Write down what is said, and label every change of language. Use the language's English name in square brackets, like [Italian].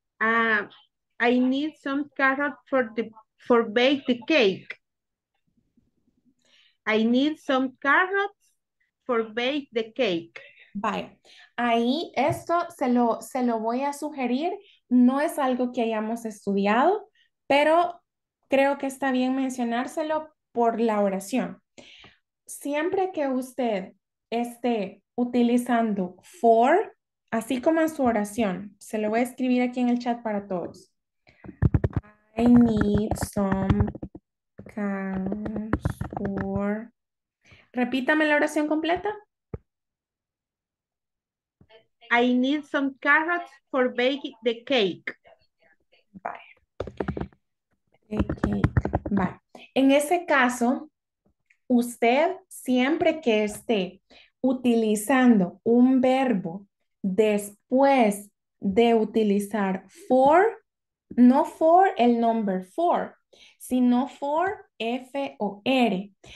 [English] I need some carrot for bake the cake. I need some carrots for bake the cake. [Spanish] Vale. Ahí esto se lo voy a sugerir. No es algo que hayamos estudiado, pero creo que está bien mencionárselo por la oración. Siempre que usted esté utilizando for, así como en su oración, se lo voy a escribir aquí en el chat para todos. [English] I need some carrots for... [Spanish] Repítame la oración completa. [English] I need some carrots for baking the cake. Bye. Okay. Bye. [Spanish] En ese caso, usted siempre que esté utilizando un verbo después de utilizar for, no for el [English] number four, [Spanish] sino for F-O-R.